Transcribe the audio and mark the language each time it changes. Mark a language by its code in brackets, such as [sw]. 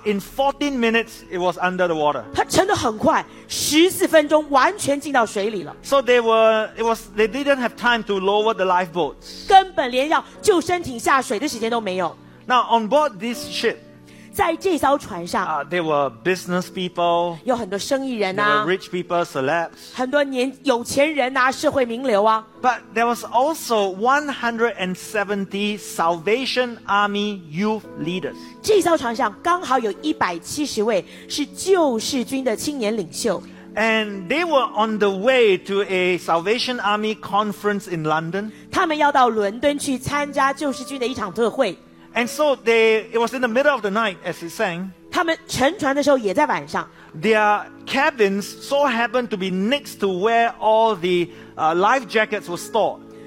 [en] In 14 minutes, it was under the water. [zh] 它沉得很快，14分钟完全进到水里了。 [en] So they didn't have time to lower the lifeboats. [zh] 根本连要救生艇下水的时间都没有。 [en] Now, on board this ship, [zh] 在这艘船上, [en] there were business people, [zh] 有很多生意人啊, [en] there were rich people, celebs, [zh] 很多有钱人啊, 社会名流啊, [en] but there was also 170 Salvation Army youth leaders. [zh] 这艘船上刚好有170位是救世军的青年领袖。 [en] And they were on the way to a Salvation Army conference in London. [zh] 他们要到伦敦去参加救世军的一场特会。 [en] And so it was in the middle of the night as it sang. [zh] 他们沉船的时候也在晚上. [en] Their cabins so happened to be next to where all the life jackets were stored.